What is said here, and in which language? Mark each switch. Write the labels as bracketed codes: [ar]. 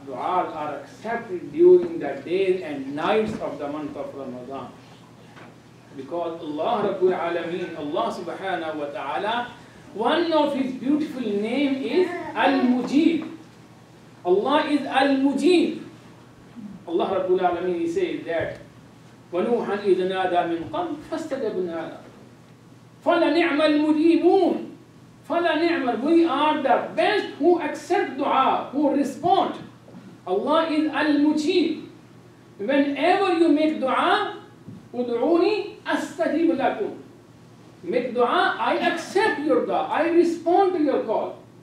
[en] Duas are accepted during the days and nights of the month of Ramadan. Because Allah Rabbul Alameen, Allah subhanahu wa ta'ala, one of his beautiful name is Al-Mujib. Allah is Al-Mujib. Allah Rabbul Alameen, he says that, [ar] وَنُوحًا إِذَ نَادَى مِنْ قَبْلٍ فَاسْتَجَبْنَا لَهُ فَلَنِعْمَ الْمُجِيبُونَ فَلَنِعْمَ. [en] We are the best who accept dua, who respond. Allah is Al-Mujib. Whenever you make dua, [ar] ud'uni astajib lakum. [en] Make dua, I accept your dua, I respond to your call.